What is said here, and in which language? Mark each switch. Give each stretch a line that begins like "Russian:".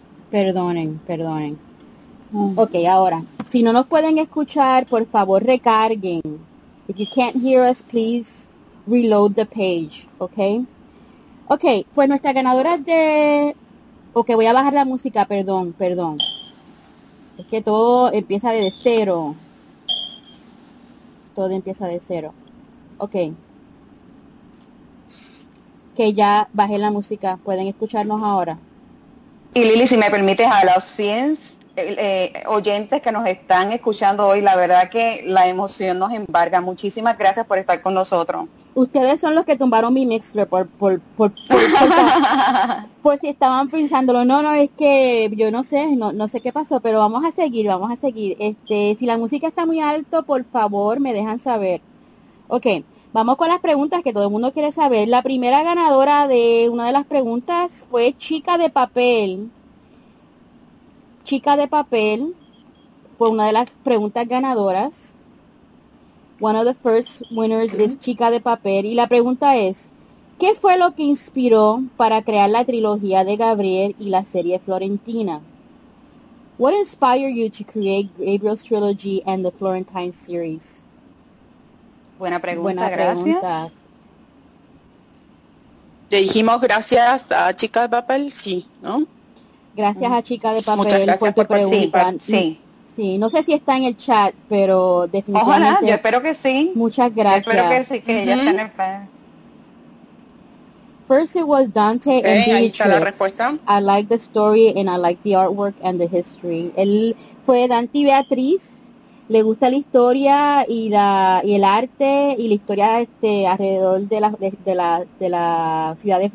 Spanish: Perdonen. Ok, ahora, si no nos pueden escuchar, por favor recarguen.
English: If you can't hear us, please reload the page, ok?
Spanish: Ok, pues nuestra ganadora de... Ok, voy a bajar la música, perdón. Es que todo empieza de cero. Ok. que ya bajé la música, pueden escucharnos ahora. Y Lili, si me permites, a los 100 oyentes que nos están escuchando hoy, la verdad que la emoción nos embarga. Muchísimas gracias por estar con nosotros. Ustedes son los que tumbaron mi mixer por si estaban pensándolo. No, es que yo no sé qué pasó, pero vamos a seguir. Si la música está muy alto, por favor, me dejan saber. Okay, vamos con las preguntas que todo el mundo quiere saber. La primera ganadora de una de las preguntas fue Chica de Papel. Chica de Papel fue una de las preguntas ganadoras.
English: One of the first winners is Chica de Papel.
Spanish: Y la pregunta es, ¿qué fue lo que inspiró para crear la trilogía de Gabriel y la serie Florentina?
English: What inspired you to create Gabriel's trilogy and the Florentine series?
Spanish: Buena pregunta, gracias. Le dijimos gracias a Chica de Papel, sí, ¿no? Gracias a Chica de Papel por tu pregunta. Sí. Sí, no sé si está en el chat, pero definitivamente... Ojalá, yo espero que sí. Muchas gracias. Yo espero que sí, que ella está en el pan.
English: First it was Dante and Beatrice.
Spanish: Ahí está la respuesta.
English: I like the story and I like the artwork and the history.
Spanish: Él fue Dante y Beatriz. Le gusta la historia y el arte y la historia alrededor de la ciudad de Florencia.